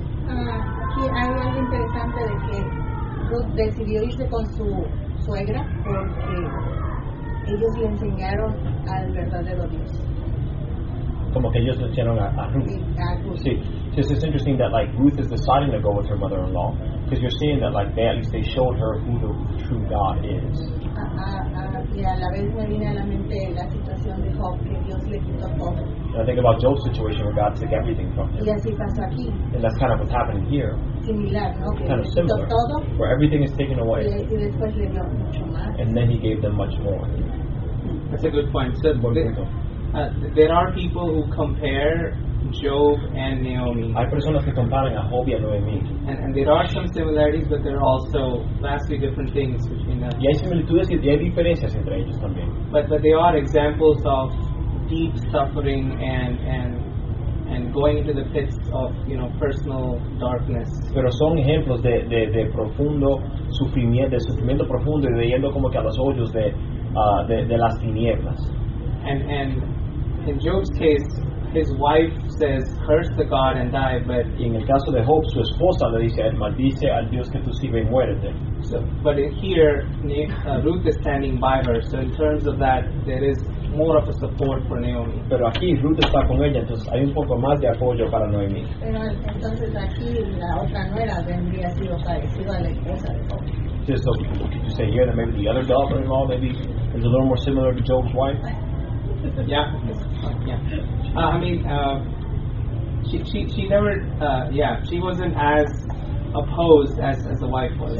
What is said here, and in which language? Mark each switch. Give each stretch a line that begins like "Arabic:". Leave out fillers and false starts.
Spanish: Aquí hay algo interesante de que Ruth decidió irse con su suegra porque ellos le enseñaron al verdadero Dios. Como que ellos le enseñaron a Ruth. Sí.
English: It's interesting that like Ruth is deciding to go with her mother-in-law because you're seeing that like they showed her who the true God is.
Spanish: Y a la vez me viene a la mente la situación de Job, que Dios le quitó todo.
English: I think about Job's situation where God took everything from him.
Spanish: Y así pasó aquí.
English: And that's kind of what's happening here. Similar, okay. Kind of similar.
Spanish: Todo,
English: where everything is taken away.
Spanish: Y después le dio mucho más.
English: And then he gave them much more. That's a good point. So there are people who compare Job and Naomi.
Spanish: Hay personas que comparan a Job y a Noemí.
English: And there are some similarities, but there are also vastly different things between them.
Spanish: Y hay similitudes y hay diferencias entre ellos también.
English: But they are examples of deep suffering and going into the pits of, you know, personal darkness.
Spanish: Pero son ejemplos de profundo sufrimiento, de sufrimiento profundo y leyendo como que a los hoyos de las tinieblas.
English: And in Job's case, his wife says, curse the God and die, but...
Spanish: Y en el caso de Job, su esposa le dice, maldice al Dios que tú sirve y muérete.
English: So, but here, Ruth is standing by her, so in terms of that, there is more of a support for Naomi.
Spanish: Pero aquí Ruth está con ella, entonces hay un poco más de apoyo para Noemí. Pero entonces aquí la otra nuera vendría sido parecido a la esposa de Job.
English: Just so could you say here that maybe the other daughter-in-law maybe is a little more similar to Job's wife? Yeah. She wasn't as opposed as the wife was.